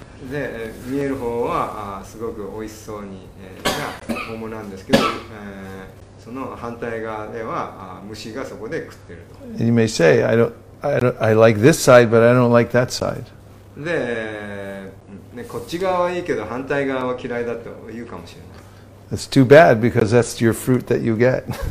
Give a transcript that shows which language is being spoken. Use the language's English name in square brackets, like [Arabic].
[Japanese] で、見える方はすごく美味しそうに、桃なんですけど、その反対側では虫がそこで食ってると。 [English] You may say, I like this side, but I don't like that side. [Japanese] で、ね、こっち側はいいけど反対側は嫌いだと言うかもしれない。 [English] It's too bad because that's your fruit that you get.